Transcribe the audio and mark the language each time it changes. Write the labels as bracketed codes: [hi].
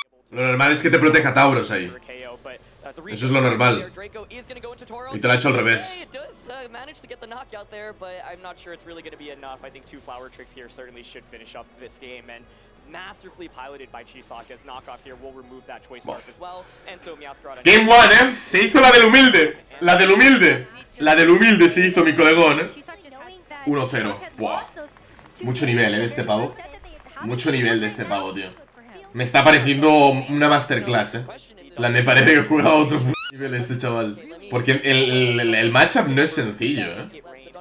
[es] Lo normal es que te proteja Tauros ahí. Eso es lo normal. Y te lo ha hecho al revés. [en] Manage to get the knockout there, but I'm not sure it's really going to be enough. I think 2 flower tricks here certainly should finish up this game, and masterfully piloted by Chisok as knockoff here will remove that choice mark as well, and so Meowscarada. Game one, eh? [es] Se hizo la del humilde, la del humilde, la del humilde se hizo mi colegón, eh? 1-0. Wow. Mucho nivel, ¿eh? Este pavo. Mucho nivel de este pavo, tío. Me está pareciendo una masterclass, eh? La me parece que juega a otro nivel este chaval. Porque el matchup no es sencillo, eh?